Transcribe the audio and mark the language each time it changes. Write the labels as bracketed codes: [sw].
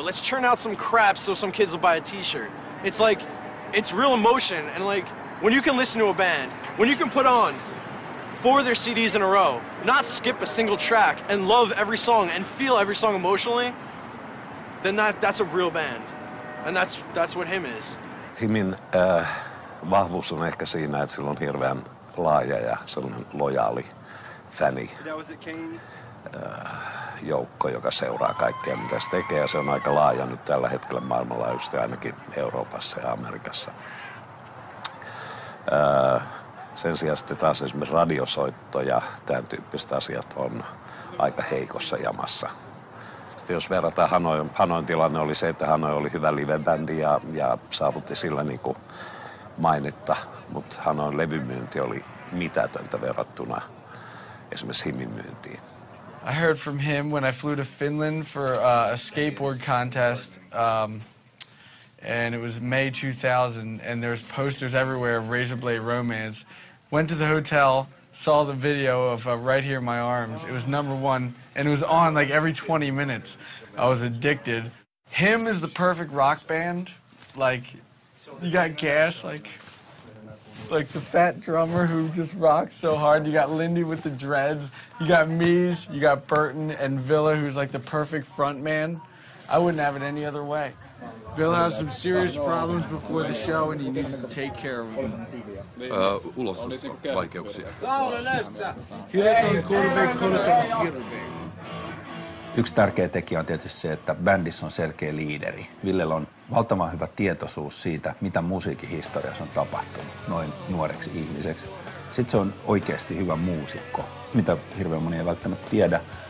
[en] Let's churn out some crap so some kids will buy a t-shirt. It's like, it's real emotion, and like, when you can listen to a band, when you can put on four of their CDs in a row, not skip a single track, and love every song, and feel every song emotionally, then that's a real band. And that's what him is. [fi] Timin vahvuus on ehkä siinä, että sillä on hirveän laaja ja sellainen lojaali fani. [en] That was the Kings? [fi] joukko, joka seuraa kaikkea, mitä se tekee. Ja se on aika laaja nyt tällä hetkellä maailmanlaajuisesti, ainakin Euroopassa ja Amerikassa. Sen sijaan sitten taas esimerkiksi radiosoitto ja tämän tyyppiset asiat on aika heikossa jamassa. Sitten jos verrataan Hanoin tilanne oli se, että Hanoi oli hyvä livebändi ja saavutti sillä niin kuin mainetta, mutta Hanoin levymyynti oli mitätöntä verrattuna esimerkiksi Himin myyntiin. [en] I heard from him when I flew to Finland for a skateboard contest. And it was May 2000, and there's posters everywhere of Razorblade Romance. Went to the hotel, saw the video of Right Here in My Arms. It was number one, and it was on like every 20 minutes. I was addicted. Him is the perfect rock band. Like, you got Gas, like the fat drummer who just rocks so hard. You got Lindy with the dreads. You got Mies, you got Burton, and Villa, who's like the perfect front man. I wouldn't have it any other way. Bill has some serious problems before the show and he needs to take care of them. [fi] Ulostusvaikeuksia. Hirveän kurveen, kurveen. Yksi tärkeä tekijä on tietysti se, että bändissä on selkeä liideri. Villellä on valtavan hyvä tietoisuus siitä, mitä musiikkihistoriassa on tapahtunut noin nuoreksi ihmiseksi. Sitten se on oikeasti hyvä muusikko, mitä hirveän moni ei välttämättä tiedä.